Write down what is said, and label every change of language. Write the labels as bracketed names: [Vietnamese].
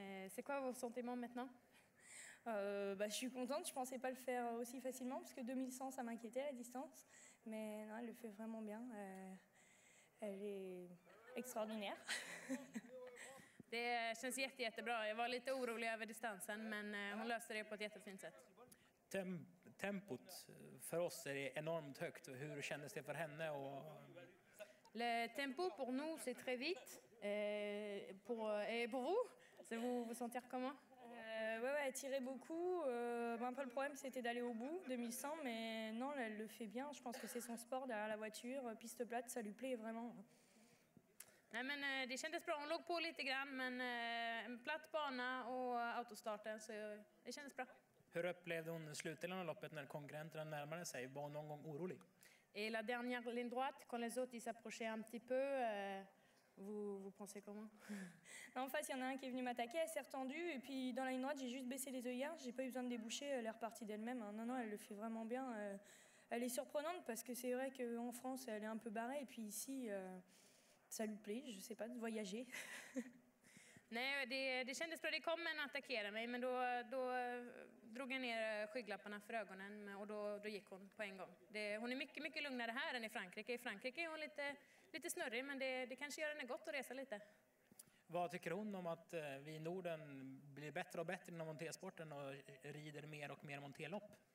[French] C'est quoi vos sentiments maintenant? Bah, je suis contente, je pensais pas le faire aussi facilement parce que 2100 ça m'inquiétait la distance, mais non, elle le fait vraiment bien. Elle est extraordinaire. [Swedish] Det känns jättebra. Jag var lite orolig över distansen, men hon löste det på ett jättefint sätt. Tempot för oss är enormt högt. Hur kändes det för henne? [French] Le tempo pour nous c'est très vite. Pour vous, c'est vous vous sentir comment? Ouais, tirer beaucoup. Un peu le problème c'était d'aller au bout, 2100, mais non, elle le fait bien. Je pense que c'est son sport derrière la voiture, piste plate, ça lui plaît vraiment. [Swedish] Nej, men det kändes bra. Hon låg på lite grann, men en platt bana och autostarten, så det kändes bra. Hur upplevde hon slutdelen av loppet när konkurrenterna närmade sig? Var hon någon gång orolig? [French] Et la dernière ligne droite, quand les autres s'approchaient un petit peu, vous pensez comment? En face, il y en a un qui est venu m'attaquer, elle s'est retendue, et puis dans la ligne droite, j'ai juste baissé les œillères, j'ai pas eu besoin de déboucher, elle est repartie d'elle-même. Hein. Non, elle le fait vraiment bien. Elle est surprenante, parce que c'est vrai qu'en France, elle est un peu barrée, et puis ici... Ça lui plaît, je sais pas, de voyager. [Swedish] Nej, det kändes bra. Det kom en att attackera mig, men då drog jag ner skygglapparna för ögonen och då gick hon på en gång. Hon är mycket, mycket lugnare här än i Frankrike. I Frankrike är hon lite snurrig, men det kanske gör henne gott att resa lite. Vad tycker hon om att vi i Norden blir bättre och bättre inom montésporten och rider mer och mer montélopp?